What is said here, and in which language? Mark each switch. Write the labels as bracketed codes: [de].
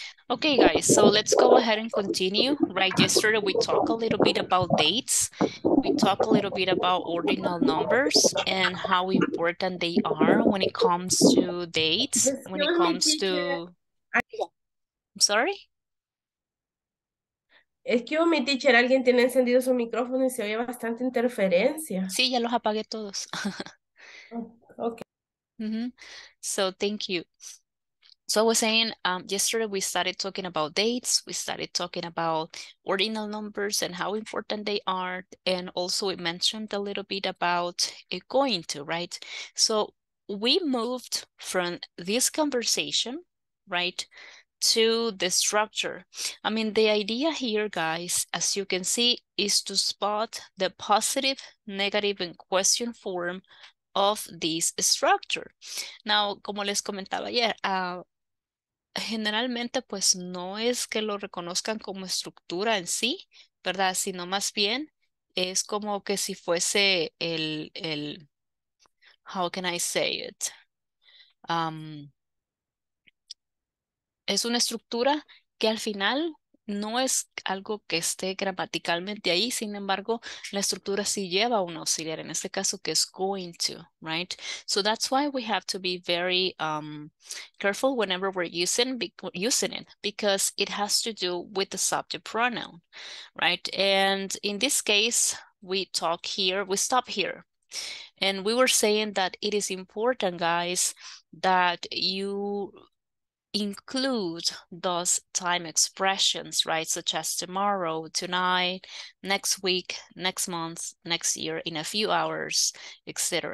[en] Okay, guys, so let's go ahead and continue. Right, yesterday we talked a little bit about dates. We talked a little bit about ordinal numbers and how important they are when it comes to dates, when it comes to... I'm sorry? Excuse me, teacher, [es] alguien tiene encendido su micrófono y se oye bastante interferencia. Sí, ya los apagué todos. [en] Okay. Mm-hmm. So, thank you. So I was saying yesterday we started talking about dates, we started talking about ordinal numbers and how important they are, and also we mentioned a little bit about going to, right? So we moved from this conversation, right, to the structure. I mean, the idea here, guys, as you can see, is to spot the positive, negative, and question form of this structure. Now, [es] como les comentaba ayer, generalmente, pues no es que lo reconozcan como estructura en sí, ¿verdad? Sino más bien es como que si fuese el [en] how can I say it? [es] Es una estructura que al final no es algo que esté gramaticalmente ahí, sin embargo, la estructura sí lleva un auxiliar, en este caso que es going to, [en] right? So that's why we have to be very careful whenever we're using it, because it has to do with the subject pronoun, right? And in this case, we talk here, we stop here. And we were saying that it is important, guys, that you include those time expressions, right, such as tomorrow, tonight, next week, next month, next year, in a few hours, etc.